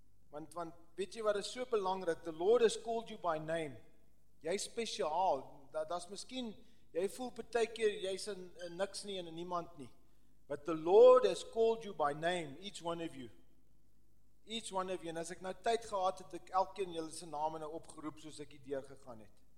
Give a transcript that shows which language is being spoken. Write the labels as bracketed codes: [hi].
[af] Want weet jy wat is so belangrik? [en] The Lord has called you by name. [af] Jy is speciaal. Dat is miskien, jy voel betek hier, jy is in niks nie en in niemand nie. [en] But the Lord has called you by name, each one of you. Each one of you. [af] En as ek nou tyd gehad het, ek elkeen jylle sy name nou opgeroep soos ek hier deurgegaan het.